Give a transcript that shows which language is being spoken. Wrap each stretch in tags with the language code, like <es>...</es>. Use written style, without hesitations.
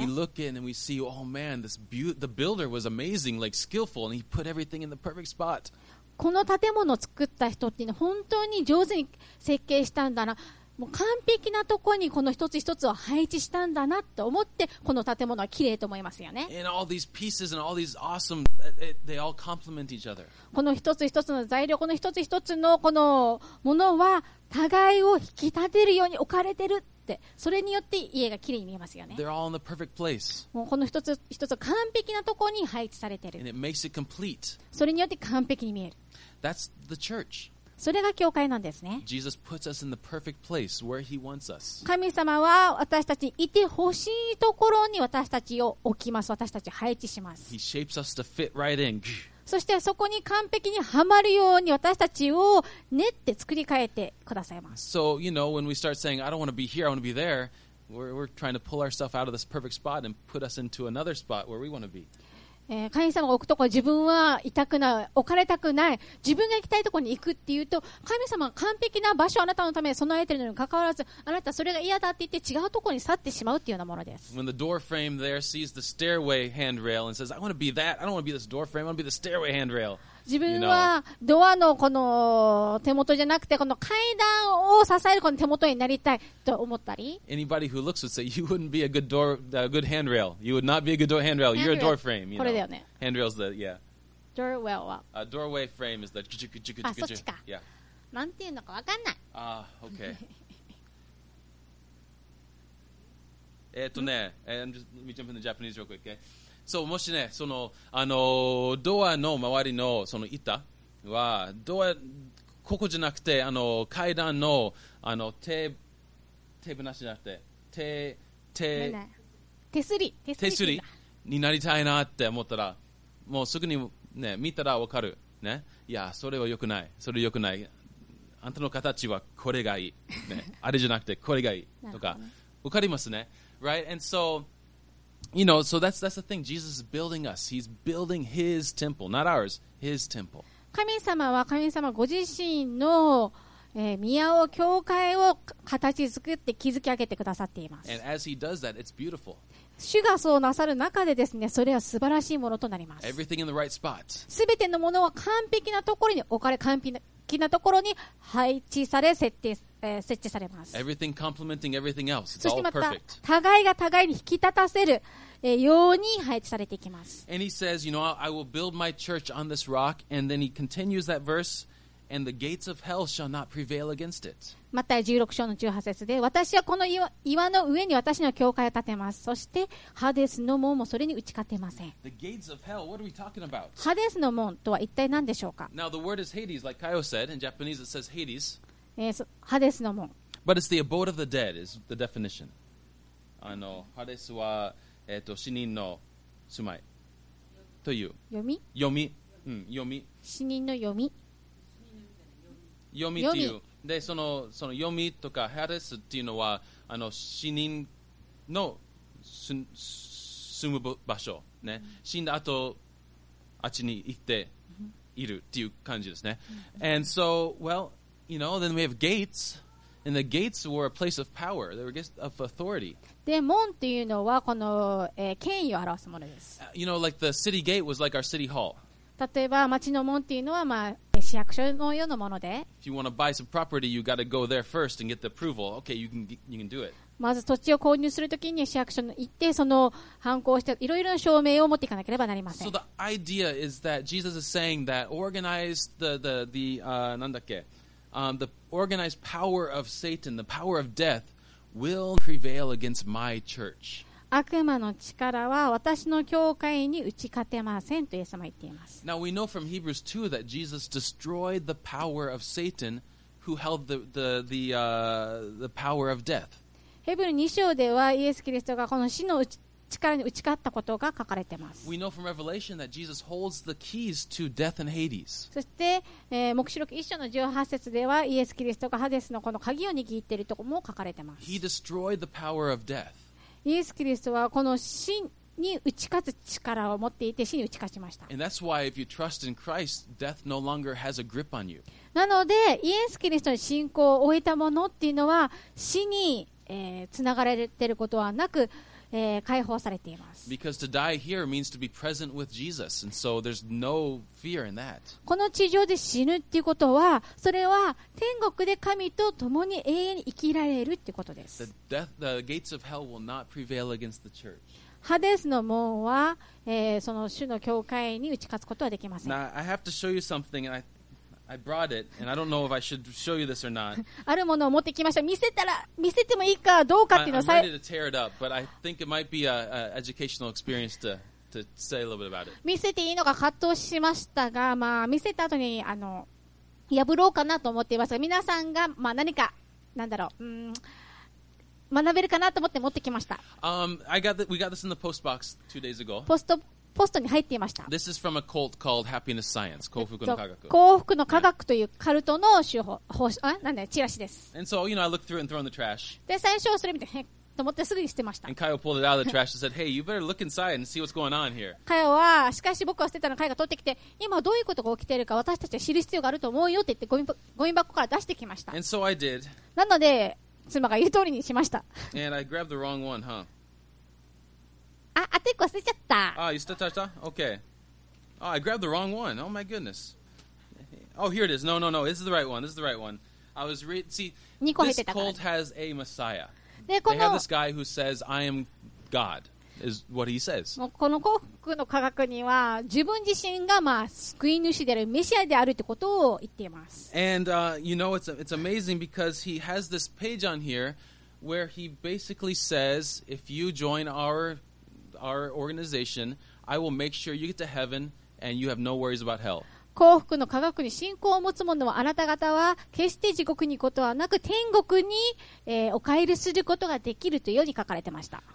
<en>We look in and we see, oh man, the builder was amazing, like skillful, and he put everything in the perfect spot.</en> <ja>この建物を作った人っていうのは本当に上手に設計したんだな。もう完璧なところにこの一つ一つを配置したんだなと思ってこの建物は綺麗と思いますよね。この一つ一つの材料、この一つ一つのこのものは互いを引き立てるように置かれてるって、それによって家が綺麗に見えますよね。</ja> <en>They're all in the perfect place.</en> <ja>もうこの一つ一つ完璧なところに配置されてる。</ja> <en>And it makes it complete.</en> <ja>それによって完璧に見える。</ja> <en>That's the church.</en> <ja>それが教会なんですね。</ja> <en>Jesus puts us in the perfect place where he wants us.</en> <ja>神様は私たちいてほしいところに私たちを置きます。私たちを配置します。</ja> <en>He shapes us to fit right in.</en> <ja>そしてそこに完璧にはまるように私たちを練って作り変えてくださいます。</ja> <en>So, you know, when we start saying, I don't want to be here, I want to be there, we're trying to pull ourselves out of this perfect spot and put us into another spot where we want to be.</en> <ja>神様が置くところ、自分は痛くない、置かれたくない、自分が行きたいところに行くっていうと、神様は完璧な場所をあなたのために備えているのに関わらず、あなたそれが嫌だって言って違うところに去ってしまうっていうようなものです。</ja> <en>When the door frame there sees the stairway handrail and says, I want to be that, I don't want to be this door frame, I want to be the stairway handrail.</en> <ja>自分はドアのこの手元じゃなくて、この階段を支えるこの手元になりたいと思ったり。</ja> <en>Anybody who looks would say, you wouldn't be a good door, a good handrail. You would not be a good door handrail. You're a door frame.</en> <ja>これだよね。</ja> <en>Handrail's the, yeah. Doorwell は。 A doorway frame is the ジュジュジュジュジュジュ。</en> <ja>あ、そっちか。なんていうのかわかんない。</ja> <en>ああ、okay. let me jump into Japanese real quick, okay?</en> <ja>そう、もしね、その、ドアの周りの、その板は、ドア、ここじゃなくて、階段の、テーブルなしじゃなくて、手すりになりたいなって思ったら、もうすぐにね、見たらわかる。ね。いや、それは良くない。それ良くない。あんたの形はこれがいい。ね。あれじゃなくて、これがいい。とか、わかりますね。</ja> <en>Right? And so,You know, so that's the thing. Jesus is building us. He's building His temple, not ours. His temple.</en> <ja>神様は神様ご自身の、宮を教会を形作って築き上げてくださっています。</ja> <en>And as He does that, it's beautiful.</en> <ja>主がそうなさる中でですね、それは素晴らしいものとなります。</ja> <en>Everything in the right spot.</en> <ja>すべてのものは完璧なところに置かれ、完璧なところに配置され設定。設置されます。</ja> <en>Everything complementing everything else.</en> <ja>そしてまた互いが互いに引き立たせるように配置されていきます。</ja> <en>And he says, you know, I will build my church on this rock. And then he continues that verse, and the gates of hell shall not prevail against it.</en> <ja>マタイ16章の18節で、私はこの 岩の上に私の教会を建てます。そしてハデスの門もそれに打ち勝てません。</ja> <en>The gates of hell. What are we talking about?</en> <ja>ハデスの門とは一体何でしょうか。</ja> <en>Now the word is Hades, like Kaio said. In Japanese, it says Hades.</en> <ja>ハデスの門。</ja> <en>But it's the abode of the dead is the definition.</en> <ja>ハデスは、死人の住まいという。読み、うん、読み。死人の読み。読みという。で、その読みとかハデスっていうのは死人の住む場所、ね、死んだ後あっちに行っているっていう感じですね。</ja> <en>And so, well,You know, then we have gates, and the gates were a place of power. They were gates of authority.</en> <ja>で、門っていうのはこの、権威を表すものです。</ja> <en>You know, like the city gate was like our city hall.</en> <ja>例えば町の門っていうのはまあ市役所のようなもので。</ja> <en>If you want to buy some property, you got to go there first and get the approval. Okay, you can do it.</en> <ja>まず土地を購入するときに市役所に行ってその判子をしていろいろな証明を持っていかなければなりません。</ja> <en>So the idea is that Jesus is saying that organize</en> <ja>なんだっけ。</ja> <en>The organized power of Satan, the power of death, will prevail against my church.</en> <ja>悪魔の力は私の教会に打ち勝てませんとイエス様は言っています。</ja> <en>Now we know from Hebrews 2 that Jesus destroyed the power of Satan who held the power of death.</en> <ja>ヘブル2章ではイエス・キリストがこの死の力に打ち勝ったことが書かれています。</ja> <en>We know from Revelation that Jesus holds the keys to death and Hades.</en> <ja>そして、黙示録1章の18節ではイエス・キリストがハデスのこの鍵を握っているところも書かれています。</ja> <en>He destroyed the power of death.</en> <ja>イエス・キリストはこの死に打ち勝つ力を持っていて死に打ち勝ちました。</ja> <en>And that's why if you trust in Christ, death no longer has a grip on you.</en> <ja>なのでイエス・キリストの信仰を終えたものっていうのは死に、繋がれていることはなく解放されています。</ja> <en>Because to die here means to be present with Jesus, and so there's no fear in that.</en> <ja>この地上で死ぬっていうことは、それは天国で神と共に永遠に生きられるっていうことです。</ja> <en>The gates of hell will not prevail against the church.</en> <ja>ハデスの門は、その主の教会に打ち勝つことはできません。</ja> <en>Now I have to show you something, and I, I brought it, and I don't know if I should show you this or not.</en> <ja>あるものを持ってきました。見せたら、見せてもいいかどうかっていうのさ。</ja> <en>I'm ready to tear it up, but I think it might be an educational experience to say a little bit about it.</en> <ja>見せていいのか葛藤しましたが、まあ、見せた後に、あの、破ろうかなと思っていますが、皆さんが、まあ、何か、なんだろう、学べるかなと思って持ってきました。</ja> <en>We got this in the post box 2 days ago.</en> <ja>ポストに入っていました。</ja> <en>This is from a cult called Happiness Science, 幸福の科学。</en> <ja>幸福の科学というカルトの手法、方針、なんだよ、チラシです。</ja> <en>And so, you know, I looked through and threw in the trash.</en> <ja>で、最初はそれ見て、へっと思ってすぐに捨てました。</ja> <en>And Kyle pulled it out of the trash and said, hey, you better look inside and see what's going on here.</en> <ja>Kyle は、しかし僕は捨てたの、Kyle が取ってきて、今どういうことが起きているか私たちは知る必要があると思うよって言って、ゴミ箱から出してきました。</ja> <en>And so I did.</en> <ja>なので、妻が言う通りにしました。</ja> <en>And I grabbed the wrong one, huh?</en> <ja>あ、当てっこ忘れちゃった。</ja> <en>Ah, you still touched that? Okay. Oh, I grabbed the wrong one. Oh my goodness. Oh, here it is. No. This is the right one. I was reading. See, this cult has a messiah. They have this guy who says, "I am God." Is what he says.</en> <ja>もうこの幸福の科学には自分自身がまあ救い主であるメシアであるってことを言っています。</ja> <en>And you know, it's amazing because he has this page on here where he basically says, "If you join our organization, I will make sure you get to heaven and you have no worries about hell."</en> <ja>幸福の科学に信仰を持つ者はあなた方は決して地獄に行くことはなく天国に、お帰りすることができるというように書かれてました。</ja>